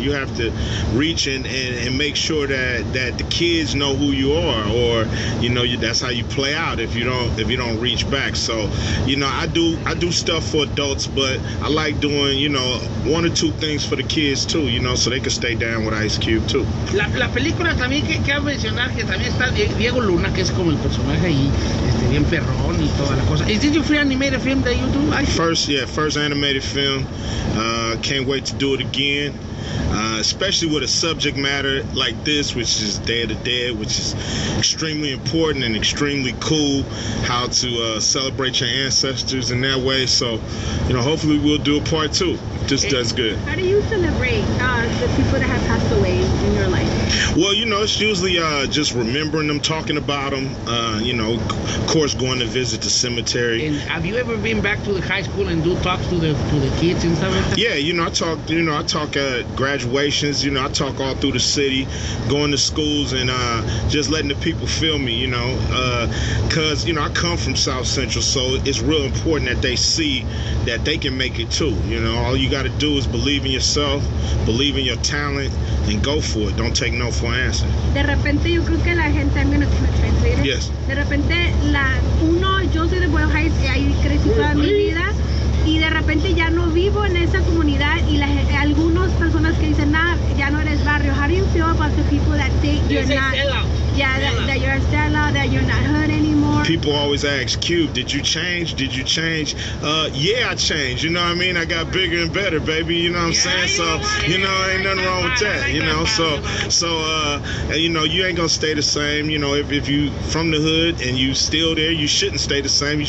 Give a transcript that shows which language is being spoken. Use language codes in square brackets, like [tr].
[en] You have to reach and make sure that the kids know who you are, or you know, that's how you play out if you don't reach back. So, you know, I do stuff for adults, but I like doing, you know, one or two things for the kids too, you know, so they can stay down with Ice Cube too. [es] La película también que ha mencionar que también está Diego Luna, que es como el personaje ahí. Bien perrón y toda la cosa. [en] Is this your first animated film that you do? First animated film. Can't wait to do it again. Especially with a subject matter like this, which is Day of the Dead, which is extremely important and extremely cool, how to celebrate your ancestors in that way. So, you know, hopefully we'll do a part two. This does good. How do you celebrate the people that have passed away in your life? Well, you know, it's usually just remembering them, talking about them, you know, of course, going to visit the cemetery. And have you ever been back to the high school and do talks to the kids and stuff like that? Yeah, you know, I talk at graduations, you know, I talk all through the city, going to schools and just letting the people feel me, you know, because, you know, I come from South Central, so it's real important that they see that they can make it too, you know. All you got to do is believe in yourself, believe in your talent, and go for it. Don't take no for an answer. [es] De repente, yo creo que la gente, [en] I'm going to translate it. Yes. [es] De repente, yo soy de Boyle Heights, y ahí crecí toda mi vida, y de repente ya no vivo en esa comunidad, y algunas personas que dicen, ya no eres barrio. [en] How do you feel about the people that think you're not... that you're a sellout, that you're not hood anymore? People always ask, Cube, did you change? Yeah, I changed, you know what I mean? I got bigger and better, baby, you know what I'm saying? So, you know, ain't nothing wrong with that, you know? So, you know, you ain't gonna stay the same, you know, if you from the hood and you still there, you shouldn't stay the same.